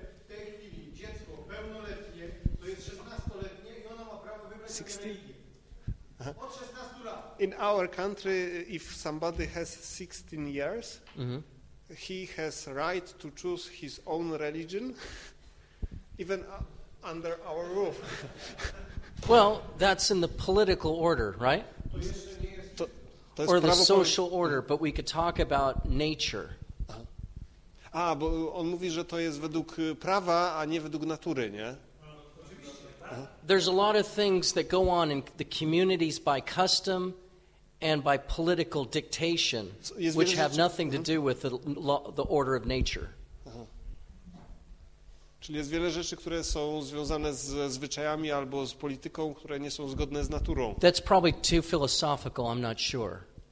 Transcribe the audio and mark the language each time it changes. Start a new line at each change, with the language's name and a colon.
Polish: w tej chwili dziecko pełnoletnie, to jest 16-letnie i ono ma prawo wybrać religię. Od 16 lat.
English: In our country, if somebody has 16 years, he has right to choose his own religion, even under our roof. Well, that's in the political order, right?
Polish: To jest
English: or the social order, but we could talk about nature.
Polish: A, bo on mówi, że to jest według prawa, a nie według natury, nie?
English: There's a lot of things that go on in the communities by custom and by political dictation, which have nothing to do with the order of nature.
Polish: Czyli jest wiele rzeczy, które są związane ze zwyczajami albo z polityką, które nie są zgodne z naturą.
English: That's probably too philosophical, I'm not sure.